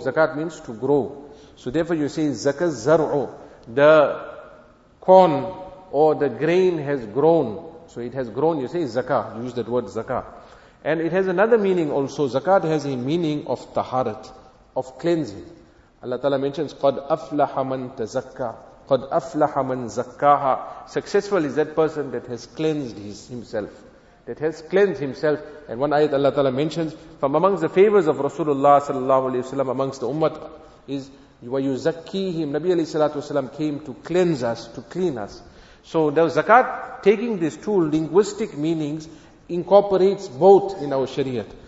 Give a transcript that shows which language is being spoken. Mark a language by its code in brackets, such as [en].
[en] Zakat means to grow. So therefore you say zakat zar'u, the corn or the grain has grown. So it has grown, you say zakah, you use that word zakah. And it has another meaning also, zakat has a meaning of taharat, of cleansing. Allah Ta'ala mentions, [ar] قَدْ أَفْلَحَ مَنْ تَزَكَّى قَدْ أَفْلَحَ مَنْ زَكَّاهَا. [en] Successful is that person that has cleansed himself. That has cleansed himself. And one ayat Allah Ta'ala mentions, from amongst the favors of Rasulullah sallallahu alayhi wa sallam amongst the ummah is, وَيُزَكِّيهِمْ Nabi alayhi salatu wa sallam came to cleanse us, to clean us. So the zakat, taking these two linguistic meanings, incorporates both in our shariat.